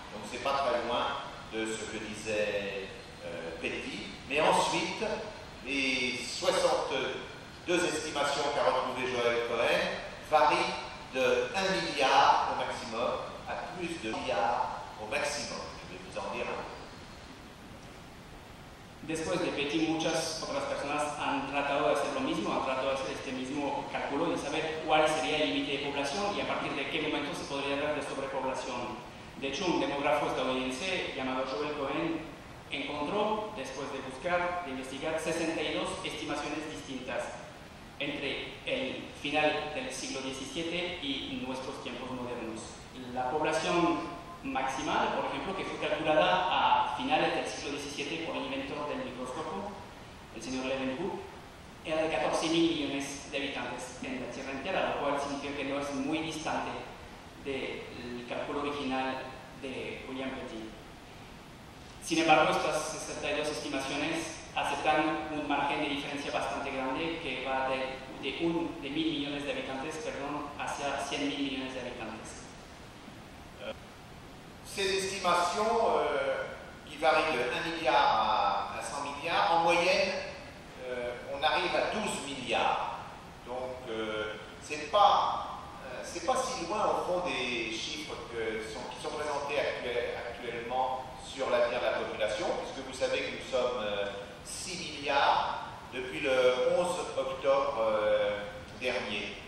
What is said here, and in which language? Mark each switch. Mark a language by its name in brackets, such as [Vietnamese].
[French] Donc c'est pas très loin de ce que disait Petit. Mais ensuite, les 62 estimations qu'a retrouvé Joël Cohen varient de 1 milliard au maximum à plus de 1 milliard au maximum. Je vais vous en dire un peu. [Spanish] Después de Petit, muchas otras personas han tratado de hacer lo mismo, han tratado de hacer este mismo cálculo y saber cuál sería el límite de población y a partir de qué momento se podría hablar de sobrepoblación. De hecho, un demógrafo estadounidense llamado Joel Cohen encontró, después de buscar, de investigar, 62 estimaciones distintas entre el final del siglo XVII y nuestros tiempos modernos. La población maximal, por ejemplo, que fue calculada a finales del siglo XVII por el inventor del microscopio, el señor Leeuwenhoek, era de 14 mil millones de habitantes en la Tierra entera, lo cual significa que no es muy distante del cálculo original de William Petit. Sin embargo, estas 62 estimaciones aceptan un margen de diferencia bastante grande que va de mil millones de habitantes, perdón, hacia 100 mil millones de habitantes. [French] Ces estimations qui varient de 1 milliard à 100 milliards, en moyenne, on arrive à 12 milliards. Donc, c'est pas si loin au fond des chiffres qui sont présentés actuellement sur l'avenir de la population, puisque vous savez que nous sommes 6 milliards depuis le 11 octobre dernier.